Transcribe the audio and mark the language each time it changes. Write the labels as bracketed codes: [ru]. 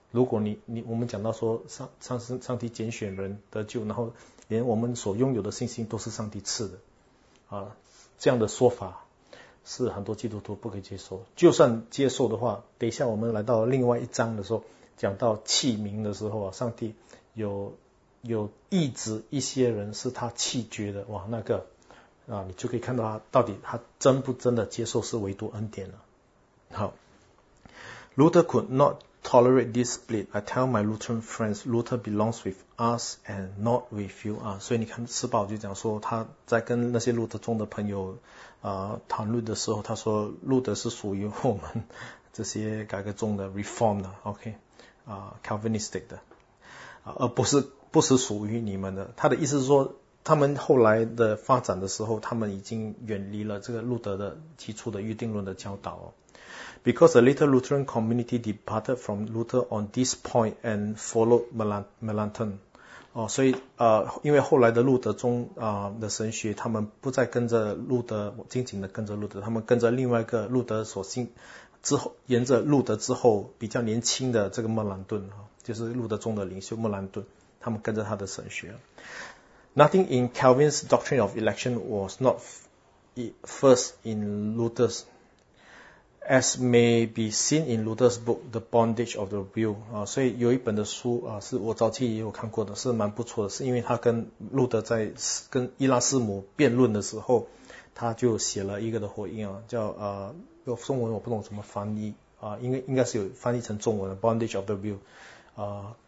[zh] 如果我们讲到说上帝拣选人得救，然后连我们所拥有的信心都是上帝赐的这样的说法是很多基督徒不可以接受，就算接受的话，等一下我们来到另外一章的时候讲到器皿的时候上帝有抑制一些人是他弃绝的，哇，那个啊，你就可以看到他到底他真不真的接受是唯独恩典了。 [en] 好， Luther could not tolerate this split. I tell my Lutheran friends, Luther belongs with us and not with you. [zh] 啊，所以你看，施宝就讲说他在跟那些路德宗的朋友谈论的时候，他说路德是属于我们这些改革宗的 reform 的 ，OK， Calvinistic 的，而不是属于你们的。他的意思是说，他们后来的发展的时候，他们已经远离了这个路德的提出的预定论的教导。 [en] Because the later Lutheran community departed from Luther on this point and followed Melanchthon. [zh] 所以因为后来的路德宗的神学，他们不再跟着路德，紧紧的跟着路德，他们跟着另外一个路德所信之后，沿着路德之后比较年轻的这个莫兰顿，就是路德宗的领袖莫兰顿，他们跟着他的神学。 [en] Nothing in Calvin's doctrine of election was not first in Luther's. As may be seen in Luther's book, The Bondage of the Will. [zh] 所以有一本的书是我早期也有看过的，是蛮不错的，是因为他跟路德在跟伊拉斯姆辩论的时候，他就写了一个的回应叫中文我不懂怎么翻译应该是有翻译成中文的 Bondage of the Will.